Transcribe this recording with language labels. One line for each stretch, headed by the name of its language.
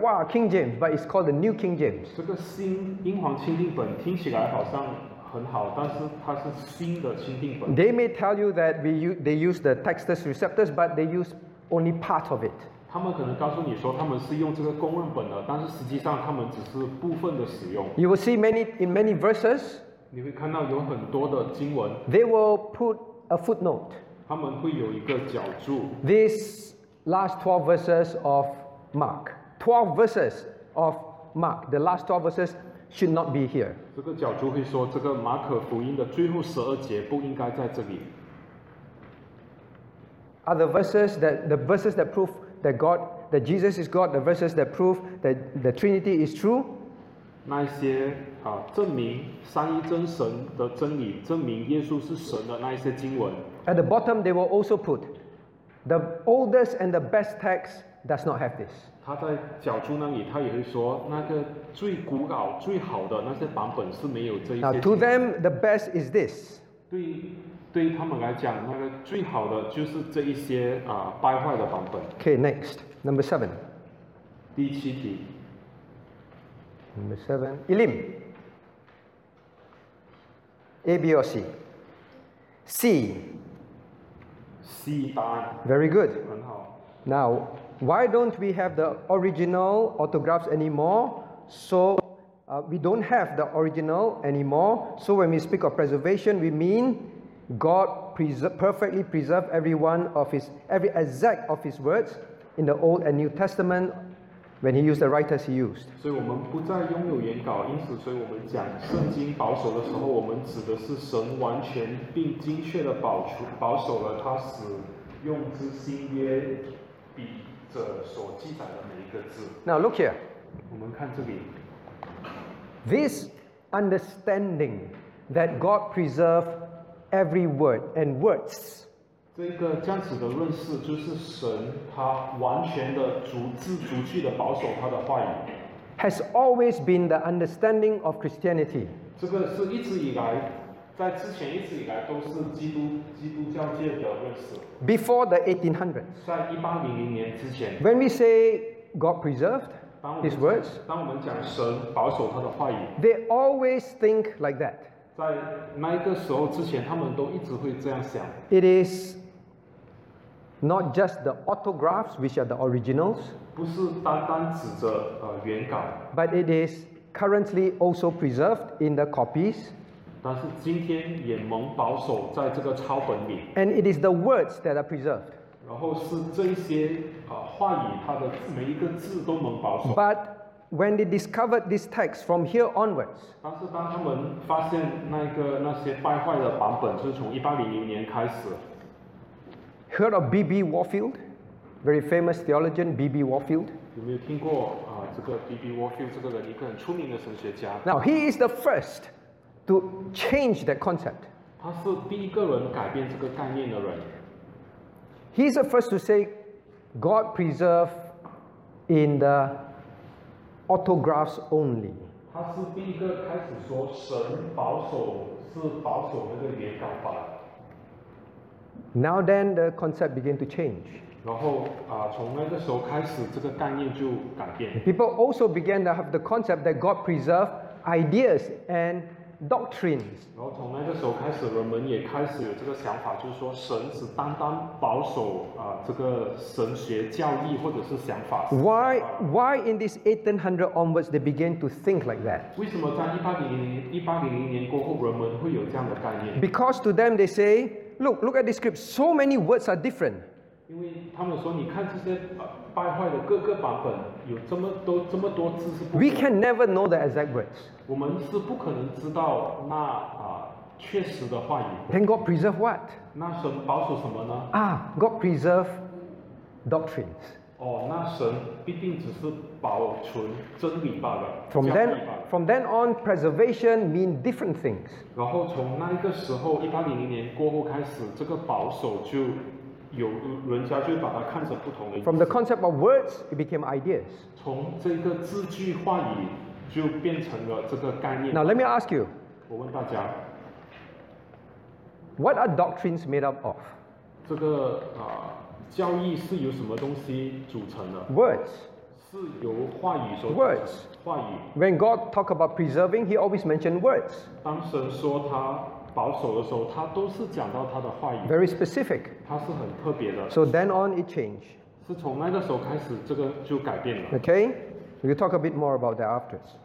English: Wow, King James, but it's called the New King James.
Chinese: 这个新英皇钦定本听起来好像很好，但是它是新的钦定本。
English: They may tell you that they use the Textus Receptus, but they use only part of it.
Chinese: 他们可能告诉你说他们是用这个公认本的，但是实际上他们只是部分的使用。
English: You will see many in many verses.
Chinese: 你会看到有很多的经文。
English: They will put a footnote.
Chinese: 他们会有一个脚注。
English: This last 12 verses of Mark. 12 verses of Mark. The last 12 verses should not be here.
Chinese: 这个脚注会说这个马可福音的最后十二节不应该在这里。
English: Are the verses that prove that God, that Jesus is God, the verses that prove that the Trinity is true?
Chinese: 那些啊，证明三一真神的真理，证明耶稣是神的那一些经文。
English: At the bottom, they will also put the oldest and the best text does not have this.
Chinese: 他在脚注那里，他也会说那个最古老、最好的那些版本是没有这一些经文。
English: Now, to them, the best is this.
Chinese: 对他们来讲，那个最好的就是这一些啊败坏的版本。
English: Okay, next, number seven.
Chinese: 第七题。
English: Number seven, Elim. A, B, or C? C.
Chinese: C 答案。
English: Very good.
Chinese: 很好。
English: Now, why don't we have the original autographs anymore? So. We don't have the original anymore. So when we speak of preservation, we mean God perfectly preserved every exact of His words in the Old and New Testament when He used the writers He used.
Chinese: 所以我们不再拥有原稿，因此，所以我们讲圣经保守的时候，我们指的是神完全并精确的保守了他使用之新约笔者所记载的每一个字。
English: Now look here.
Chinese: 我们看这里。
English: This understanding that God preserved every word and words.
Chinese: 这个这样子的认识就是神他完全的逐字逐句的保守他的话语。
English: Has always been the understanding of Christianity.
Chinese: 这个是一直以来，在之前一直以来都是基督教界的认识。
English: Before the 1800s.
Chinese: 在1800年之前。
English: When we say God preserved. His words.
Chinese: 当我们讲神保守他的话语
English: ，They always think like that.
Chinese: 在那一个时候之前，他们都一直会这样想。
English: It is not just the autographs which are the originals.
Chinese: 不是单单指着原稿。
English: But it is currently also preserved in the copies.
Chinese: 但是今天也蒙保守在这个抄本里。
English: And it is the words that are preserved.
Chinese: 然后是这些话语，它的每一个字都能保守。
English: But when they discovered this text from here onwards,
Chinese: 但是当他们发现那些败坏的版本，就是从1800年开始。
English: Heard of B.B. Warfield, very famous theologian B.B. Warfield?
Chinese: 有没有听过这个 B.B. Warfield 这个人，一个很出名的神学家
English: ？Now he is the first to change that concept.
Chinese: 他是第一个人改变这个概念的人。
English: He's the first to say God preserved in the autographs only.
Chinese: 他是第一个开始说神保守是保守那个原稿吧。
English: Now then the concept began to change.
Chinese: 然后从那个时候开始这个概念就改变。
English: People also began to have the concept that God preserved ideas and doctrines.
Chinese: 然后从那个时候开始，人们也开始有这个想法，就是说神只单单保守这个神学教义或者是想法。
English: Why in this 1800 onwards they began to think like that?
Chinese: 为什么在1800年过后，人们会有这样的概念
English: ？Because to them they say, look at the script. So many words are different.
Chinese: 因为他们说，你看这些败坏的各个版本。有这么多字是不。
English: We can never know the exact words.
Chinese: 我们是不可能知道那确实的话语。
English: Then God preserve what?
Chinese: 那神保守什么呢？
English: God preserve doctrines.
Chinese: 哦，那神必定只是保存真理罢了。
English: From then on, preservation mean different things.
Chinese: 然后从那个时候，1800年过后开始，这个保守就。有人家就把它看成不同的意思。
English: From the concept of words, it became ideas.
Chinese: 从这个字句话语就变成了这个概念。
English: Now let me ask you.
Chinese: 我问大家。
English: What are doctrines made up of?
Chinese: 这个教义是由什么东西组成的
English: ？Words.
Chinese: 是由话语所组成。
English: Words.
Chinese: 话语。
English: When God talk about preserving, He always mentioned words.
Chinese: 当神说他。保守的时候，他都是讲到他的话语。
English: Very specific.
Chinese: 他是很特别的。
English: So then on it changed. Okay, we'll talk a bit more about that after.